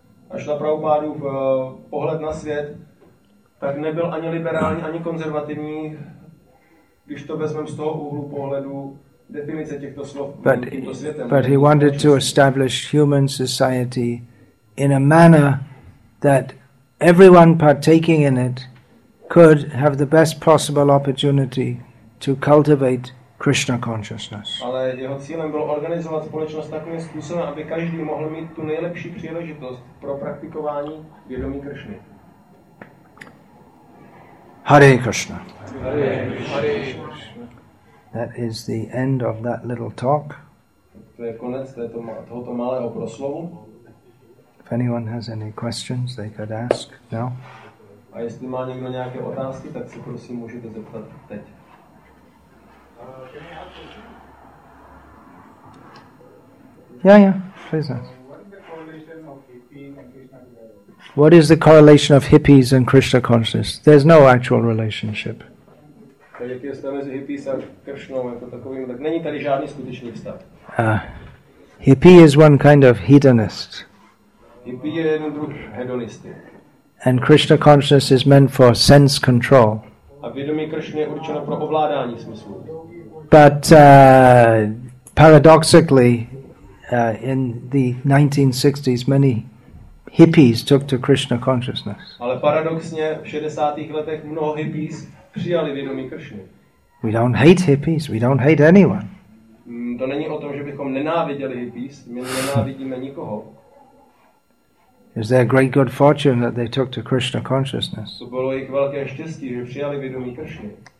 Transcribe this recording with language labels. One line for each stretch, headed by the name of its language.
Czech: A Srila Prabhupádův pohled na svět tak nebyl ani liberální, ani konzervativní, když to vezmeme z toho úhlu pohledu definice těchto slov tímto světem.
English: But he wanted to establish human society in a manner that everyone partaking in it could have the best possible opportunity to cultivate Krishna consciousness.
Czech: Ale jeho cílem bylo organizovat společnost takovým způsobem, aby každý mohl mít tu nejlepší příležitost pro praktikování vědomí Krishny.
Sanskrit: Hare Krishna. Hare Krishna.
English: That is the end of that little talk.
Czech: To je konec tohoto malého proslovu.
English: If anyone has any questions, they could ask now.
Czech: A jestli má někdo nějaké otázky, tak si prosím můžete zeptat teď.
English: Please ask. What is the correlation of hippies and Krishna consciousness? There's no actual relationship.
Czech: Jaký je vztah mezi hippies a Krishna jako takovým? Tak není tady žádný skutečný vztah.
English: Hippie is one kind of hedonist.
Czech: Hippie je jeden druh hedonisty.
English: And Krishna consciousness is meant for sense control.
Czech: A vědomí Krishna je určeno pro ovládání smyslů.
English: But paradoxically, in the 1960s, many hippies took to Krishna consciousness.
Czech: Ale paradoxně v 60. letech mnoho hippies přijali vědomí Krishny.
English: We don't hate hippies. We don't hate anyone.
Czech: To není o tom, že bychom nenáviděli hippies. My nenávidíme nikoho.
English: Is there great good fortune that they took to Krishna consciousness?
Czech: To bylo jejich velké štěstí, že přijali vědomí Krishny.